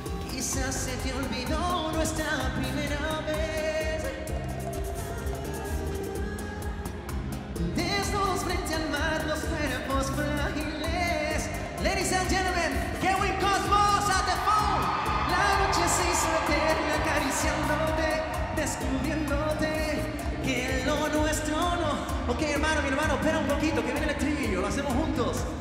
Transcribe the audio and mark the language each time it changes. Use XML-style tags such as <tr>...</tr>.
<es>Quizás se te olvidó nuestra primera vez. Desnudos frente al mar, los cuerpos frágiles.</es> <en>Ladies and gentlemen, Kevin Cosmos at the phone.</en> <es>La noche se hizo eterna acariciándote, descubriéndote que lo nuestro no. Ok, hermano, mi hermano, espera un poquito que viene el estribillo, lo hacemos juntos.</es>